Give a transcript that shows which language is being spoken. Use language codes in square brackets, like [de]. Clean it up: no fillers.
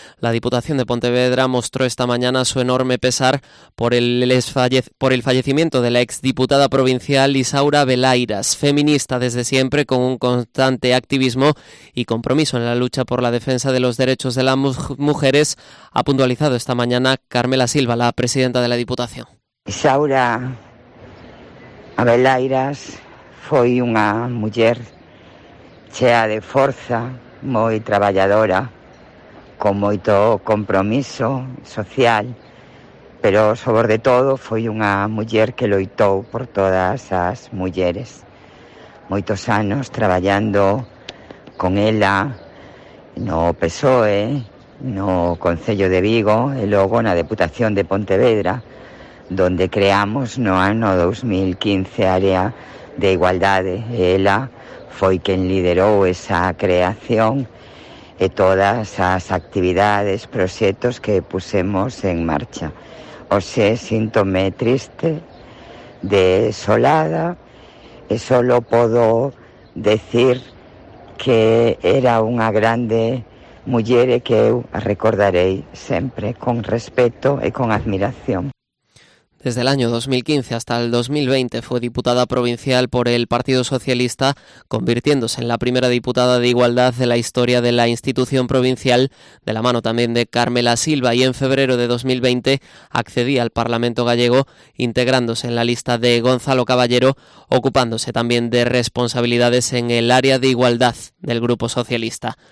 [es] La Diputación de Pontevedra mostró esta mañana su enorme pesar por el fallecimiento de la exdiputada provincial Isaura Belairas, feminista desde siempre con un constante activismo y compromiso en la lucha por la defensa de los derechos de las mujeres, ha puntualizado esta mañana Carmela Silva, la presidenta de la Diputación. [gl] Isaura Belairas foi unha muller chea de forza, moi traballadora, con moito compromiso social, pero sobre todo foi unha muller que loitou por todas as mulleres. Moitos anos traballando con ela no PSOE, no Concello de Vigo e logo na Deputación de Pontevedra, donde creamos no ano 2015 área de igualdade. Ela foi quen liderou esa creación e todas as actividades, proxectos que pusemos en marcha. Hoxe síntome triste, desolada, e solo podo decir que era unha grande muller e que eu a recordarei sempre con respeto e con admiración. [es] Desde el año 2015 hasta el 2020 fue diputada provincial por el Partido Socialista, convirtiéndose en la primera diputada de Igualdad de la historia de la institución provincial, de la mano también de Carmela Silva, y en febrero de 2020 accedía al Parlamento gallego, integrándose en la lista de Gonzalo Caballero, ocupándose también de responsabilidades en el área de Igualdad del Grupo Socialista.